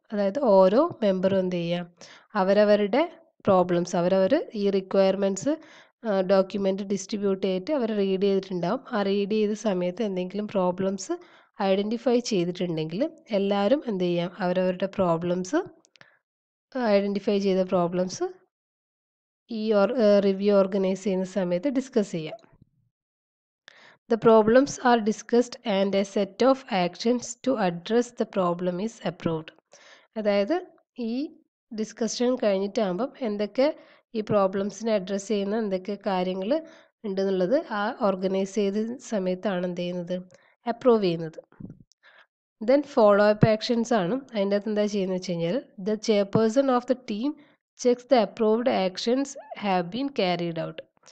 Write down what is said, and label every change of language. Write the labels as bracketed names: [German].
[Malayalam] അതായത് ഓരോ മെമ്പറും എന്ത് ചെയ്യുക, അവരവരുടെ പ്രോബ്ലംസ്, അവരവർ ഈ റിക്വയർമെൻറ്റ്സ് ഡോക്യുമെൻറ്റ് ഡിസ്ട്രിബ്യൂട്ട് ചെയ്തിട്ട് അവർ റീഡ് ചെയ്തിട്ടുണ്ടാകും. ആ റീഡ് ചെയ്ത സമയത്ത് എന്തെങ്കിലും പ്രോബ്ലംസ് ഐഡൻറ്റിഫൈ ചെയ്തിട്ടുണ്ടെങ്കിൽ എല്ലാവരും എന്ത് ചെയ്യാം, അവരവരുടെ പ്രോബ്ലംസ് ഐഡൻറ്റിഫൈ ചെയ്ത പ്രോബ്ലംസ് ഈ റിവ്യൂ ഓർഗനൈസ് ചെയ്യുന്ന സമയത്ത് ഡിസ്കസ് ചെയ്യാം. [English] The problems are discussed and a set of actions to address the problem is approved. [Malayalam] അതായത് ഈ ഡിസ്കഷൻ കഴിഞ്ഞിട്ടാകുമ്പം എന്തൊക്കെ ഈ പ്രോബ്ലംസിനെ അഡ്രസ്സ് ചെയ്യുന്ന എന്തൊക്കെ കാര്യങ്ങൾ ഉണ്ടെന്നുള്ളത് ആ ഓർഗനൈസ് ചെയ്ത സമയത്താണ് എന്ത് ചെയ്യുന്നത്, അപ്രൂവ് ചെയ്യുന്നത്. [English] then follow up actions [Malayalam] ആണ്. അതിൻ്റെ അകത്ത് എന്താ ചെയ്യുന്നത് വെച്ച് കഴിഞ്ഞാൽ, [English] The chairperson of the team checks the approved actions have been carried out.